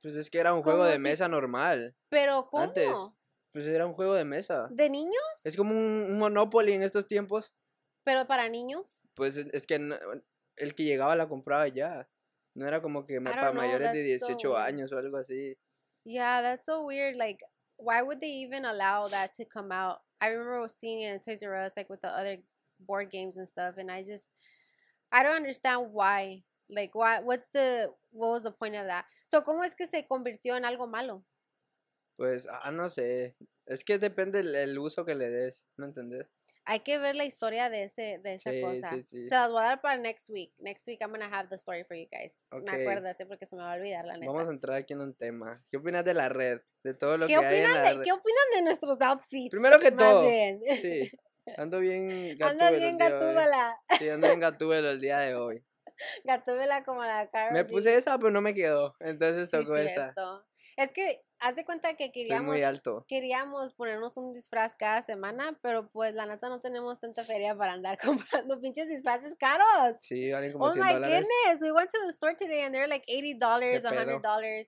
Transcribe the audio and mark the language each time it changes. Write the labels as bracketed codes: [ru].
[es] Pues es que era un juego de mesa normal. ¿Pero cómo? Antes, pues era un juego de mesa. ¿De niños? Es como un Monopoly en estos tiempos. ¿Pero para niños? Pues es que el que llegaba la compraba ya. No era como que para mayores de 18 años o algo así. [en] Yeah, that's so weird. Like, why would they even allow that to come out? I remember seeing it in Toys R Us, like, with the other board games and stuff. And I don't understand why. Like, what was the point of that? [es] So, ¿cómo es que se convirtió en algo malo? Pues, no sé. Es que depende el uso que le des, ¿me entendés? Hay que ver la historia de esa cosa. Sí. So, las voy a dar para next week. [en] Next week I'm going to have the story for you guys. [es] Okay. Me acuerdo, sí, porque se me va a olvidar, la neta. Vamos a entrar aquí en un tema. ¿Qué opinas de la red? De todo lo que hay en la red. ¿Qué opinan de nuestros outfits? Primero que todo. Bien. Sí. Ando bien gatúbela. Ando bien gatúbela. Sí, ando bien gatúbela el día de hoy. Gatúbela como la cara. Me puse esa, pero no me quedó. Entonces tocó esta. Es que, haz de cuenta que queríamos ponernos un disfraz cada semana, pero pues la neta no tenemos tanta feria para andar comprando pinches disfraces caros. Sí, valen como $100. [en] Oh my goodness, we went to the store today and they're like $80, $100.